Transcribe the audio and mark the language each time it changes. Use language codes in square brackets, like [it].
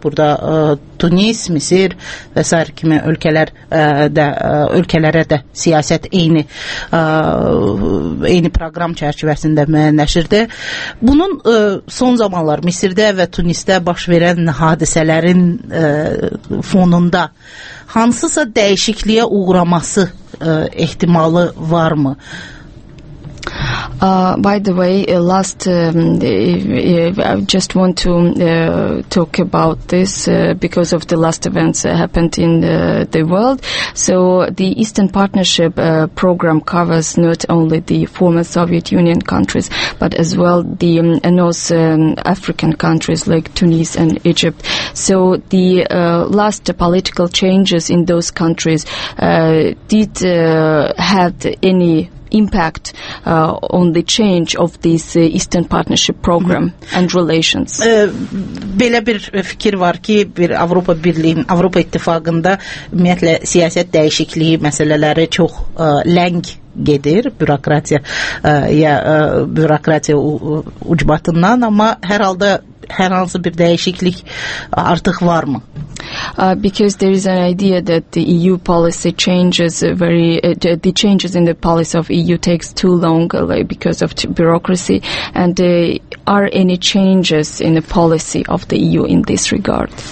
[az] Burada Tunis, Misir və s. kimi ölkələrə də siyasət eyni proqram çərçivəsində müəyyənləşirdi. Bunun son zamanlar Misirdə və Tunisdə baş verən hadisələrin fonunda hansısa dəyişikliyə uğraması ehtimalı var mı? [en] By the way, last I just want to talk about this because of the last events that happened in the world. So the Eastern Partnership program covers not only the former Soviet Union countries, but as well the North African countries like Tunis and Egypt. So the last political changes in those countries did have any impact on the change of this Eastern Partnership program and relations. [az] Belə bir fikir var ki, bir Avropa Birliyinin, Avropa İttifaqında ümumiyyətlə siyasət dəyişikliyi məsələləri çox ləng gedir bürokratiya ya bürokratiya ucbatından, amma hər halda hər hansı bir dəyişiklik artıq var mı? [en] Because there is an idea that the EU policy changes very, the changes in the policy of EU takes too long because of bureaucracy, and are any changes in the policy of the EU in this regard?